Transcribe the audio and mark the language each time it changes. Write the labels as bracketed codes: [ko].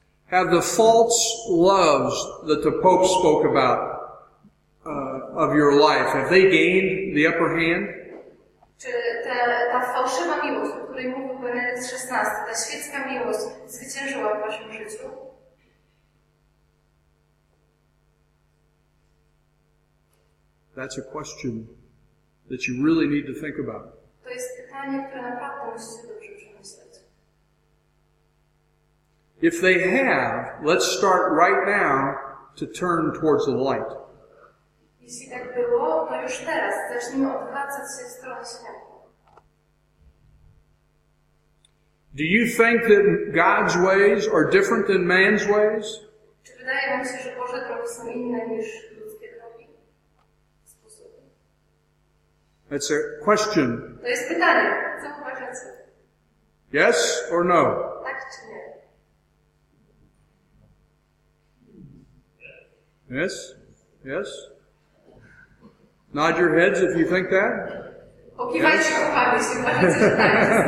[en] Have the false loves that the Pope spoke about of your life, have they gained the upper hand? [pl] Czy ta fałszywa miłość, o której mówił Benedykt XVI, ta świecka miłość, zwyciężyła w waszym życiu? [en] That's a question that you really need to think about. [pl] To jest pytanie, które naprawdę musicie dobrze przemyśleć. [en] If they have, let's start right now to turn towards the light. [pl] Jeśli tak było, to już teraz zacznijmy odwracać się w stronę światła. [en] Do you think that God's ways are different than man's ways? [pl] Czy wydaje wam się, że Boże drogi są inne niż ludzkie drogi? [en] That's a question. [pl] To jest pytanie. Co uważacie? [en] Yes or no? [pl] Tak czy nie? [en] Yes? Yes? Nod your heads if you think that. [pl] Pokiwajcie głowami, jeśli uważacie, że tak.